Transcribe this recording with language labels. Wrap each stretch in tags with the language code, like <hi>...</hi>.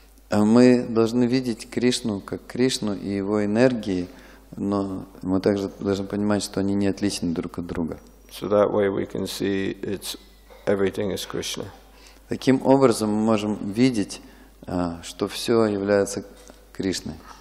<ru>Мы должны видеть Кришну как Кришну и его энергии, но мы также должны понимать, что они не отличны друг от друга.</ru> <en>So that way we can see it's everything is Krishna.</en> <ru>Таким образом мы можем видеть, что все является Кришной.</ru>